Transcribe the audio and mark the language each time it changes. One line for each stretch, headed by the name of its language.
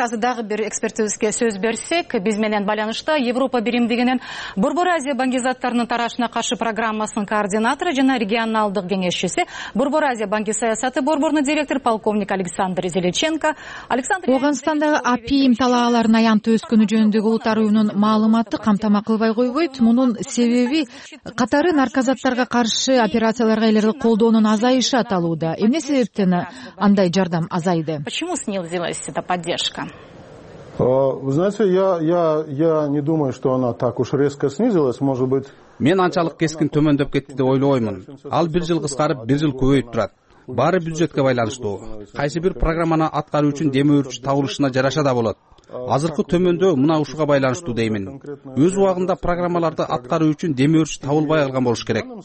Kyrgyz: Азыр дагы бир экспертибизге сөз берсек, биз менен байланышта Европа биримдигинин Борбор Азия баңгизаттарынын тарашына каршы программасынын координатору жана регионалдык кеңешчиси, Борбор Азия баңги саясаты борборунун директору полковник Александр Зеличенко. Александр, Ооганстандагы АПИИМ талааларын аянтты өскөнү жөнүндөгү улуттар уюмунун маалыматты камтама кылбай койбойт. Мунун себеби катары наркозаттарга каршы операцияларга эл аралык колдоонун азайышы аталууда. Эмне себептен андай жардам азайды?
Russian: Почему снизилась эта поддержка? Вы знаете, я не думаю, что она так уж резко снизилась, может быть.
Kyrgyz: Мен анчалык кескин төмөндөп кетти деп ойлобойм. Ал бир жыл кыскарып, бир жыл көбөйүп турат. Баары бюджетке байланыштуу. Кайсы бир программаны аткаруу үчүн демөөрчү табылышына жараша да болот. Азыркы төмөндөө мына ушуга байланыштуу деймин. Өз убагында программаларды аткаруу үчүн демөөрчү табылбай калган болуш керек.